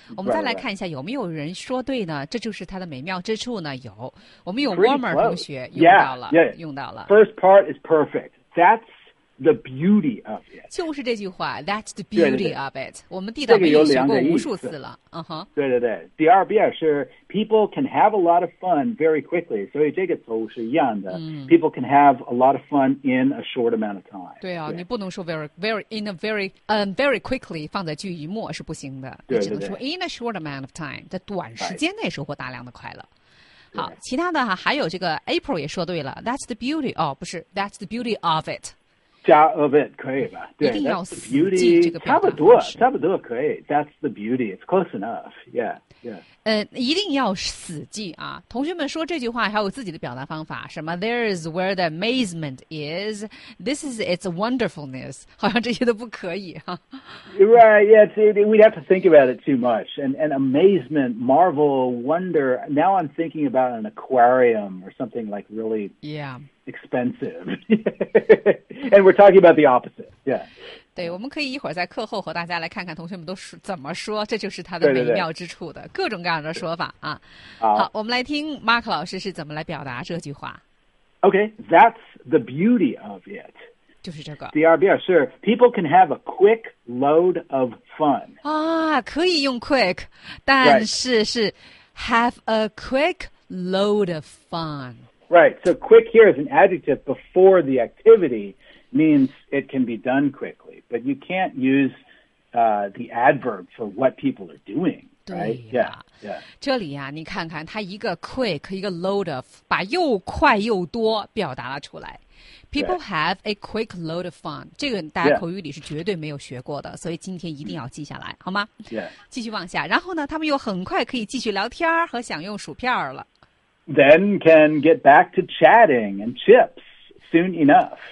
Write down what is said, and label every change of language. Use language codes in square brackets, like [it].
[zh] 我们再来看一下有没有人说对呢？这就是它的美妙之处呢？有，我们有 Warmer 同学用到了。 [en] First part is perfect. That's the beauty of it. [zh] 就是这句话 [en] that's the beauty of it. [zh] 我们地道美语学过无数次了。第二遍是 [en] people can have a lot of fun very quickly. [zh] 所以这个词是一样的。 [en] People can have a lot of fun in a short amount of time. [zh] 对啊，你不能说 [en] very quickly [zh] 放在句语末是不行的。你只能说 [en] in a short amount of time, [zh] 在短时间内收获大量的快乐。好，其他的还有这个 April 也说对了 that's the beauty, 哦不是 [en] that's the beauty of it. [zh] 加 of it 可以吧？对，一定要死记这个表达方式。差不多可以。 [en] That's the beauty. It's close enough. Yeah. [zh] 一定要死记啊！同学们说这句话还有自己的表达方法，什么 [en] There is where the amazement is. This is its wonderfulness. [zh] 好像这些都不可以哈、 [en] 啊。Right. Yeah. We'd have to think about it too much. And amazement, marvel, wonder. Now I'm thinking about an aquarium or something like really. Yeah. Expensive. And we're talking about the opposite. Yeah. [zh] 对，我们可以一会儿在课后和大家来看看同学们都是怎么说，这就是它的美妙之处的各种各样的说法啊。好，我们来听 Mark 老师是怎么来表达这句话。 [en] Okay, that's the beauty of it. [zh] 就是这个。第二遍是 [en] people can have a quick load of fun. [zh] 啊，可以用 quick, 但是是 [en] have a quick load of fun. Right, so quick here is an adjective before the activity means it can be done quickly. But you can't use the adverb for what people are doing, right? [zh] 对呀、啊 [en] yeah. [zh] 这里呀、啊、你看看它一个 quick, 一个 load of, 把又快又多表达了出来。People、 [en] right. have a quick load of fun. [zh] 这个大家口语里是绝对没有学过的、 [en] yeah. [zh] 所以今天一定要记下来好吗、 [en] yeah. [zh] 继续往下。然后呢他们又很快可以继续聊天和享用薯片了。 [en] Then can get back to chatting and chips soon enough.